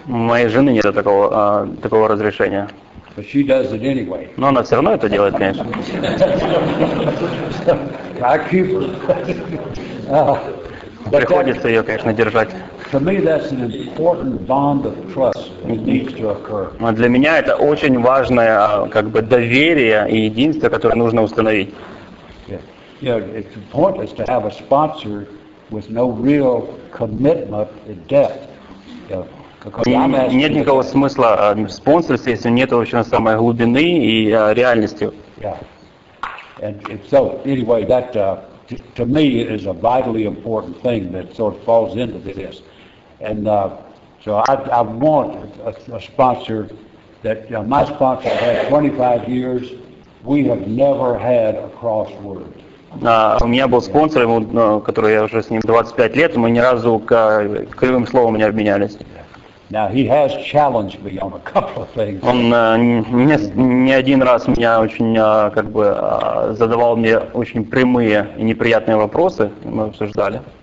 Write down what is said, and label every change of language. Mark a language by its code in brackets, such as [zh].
[ru] У моей жены нету такого разрешения. [en] But she does it anyway. [ru] Но она все равно это делает, конечно. [en] I keep her. [ru] Приходится ее, конечно, держать. [en] To me, that's an important bond of trust that needs to occur. [ru] Но для меня это очень важное, как бы доверие и единство, которое нужно установить. [en] Yeah, it's important to have a sponsor with no real commitment in depth. [ru] Нет никакого смысла в спонсорстве, если нет вообще самой глубины и реальности. [en] So, anyway, that to me is a vitally important thing that sort of falls into this. And so I want a sponsor that, you know, my sponsor has 25 years. We have never had a crossword. [ru] У меня был спонсор, который я уже с ним 25 лет, мы ни разу кривым словом не обменялись. [en] Now he has challenged me on a couple of things. [ru] Он не один раз меня очень задавал мне очень прямые и неприятные вопросы, мы обсуждали.